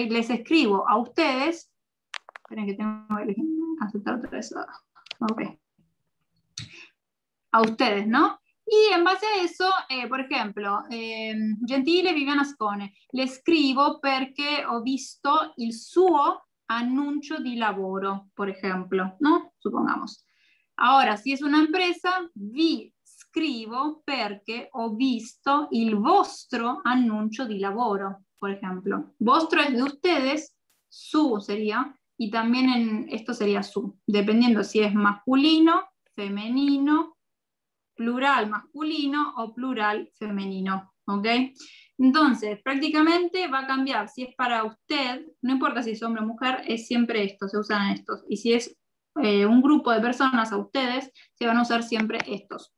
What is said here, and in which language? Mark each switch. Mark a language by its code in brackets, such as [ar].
[es] Les escribo a ustedes, esperen que tengo que aceptar otra vez, ok. A ustedes, ¿no? Y en base a eso, por ejemplo, gentile Viviana Ascone, le escribo porque [it] ho visto el suo annuncio di lavoro, [es] por ejemplo, ¿no? Supongamos. Ahora, si es una empresa, [it] vi scrivo perché ho visto il vostro annuncio di lavoro, [es] por ejemplo. Vostro es de ustedes, su sería, y también en esto sería su, dependiendo si es masculino, femenino, plural masculino o plural femenino, ¿ok? Entonces, prácticamente va a cambiar, si es para usted, no importa si es hombre o mujer, es siempre esto, se usan estos, y si es un grupo de personas, a ustedes, se van a usar siempre estos.